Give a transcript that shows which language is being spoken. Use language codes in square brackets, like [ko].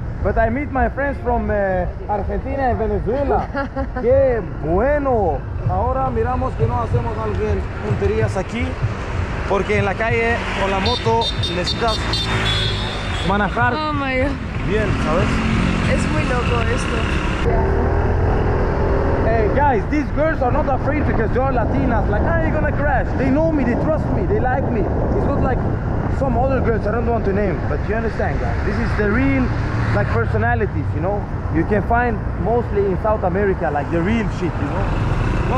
[en] But I meet my friends from Argentina and Venezuela. [es] Qué bueno. Ahora miramos que no hacemos alguien tonterías aquí. Porque en la calle con la moto necesitas manejar bien, ¿sabes? Es muy loco esto. [en] Hey guys, these girls are not afraid because they are Latinas. Like, how are you gonna crash? They know me, they trust me, they like me. It's not like some other girls I don't want to name, but you understand, guys. This is the real, like, personalities, you know? You can find mostly in South America, like the real shit, you know?